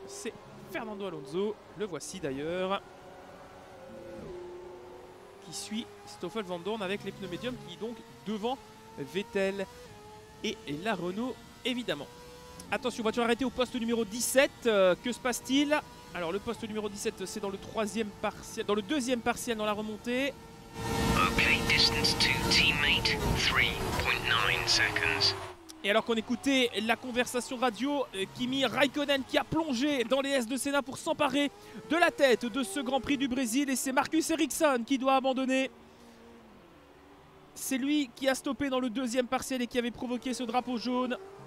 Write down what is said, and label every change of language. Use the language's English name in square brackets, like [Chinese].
[French] C'est Fernando Alonso, le voici d'ailleurs, qui suit Stoffel Vandoorne avec les pneus médiums, qui est donc devant Vettel et la Renault, évidemment. Attention, voiture arrêtée au poste numéro 17, que se passe-t-il? Alors le poste numéro 17, c'est dans le deuxième partiel dans la remontée. [English] distance to teammate, 3.9 seconds. [French] Et alors qu'on écoutait la conversation radio, Kimi Raikkonen qui a plongé dans les S de Senna pour s'emparer de la tête de ce Grand Prix du Brésil, et c'est Marcus Ericsson qui doit abandonner. C'est lui qui a stoppé dans le deuxième partiel et qui avait provoqué ce drapeau jaune.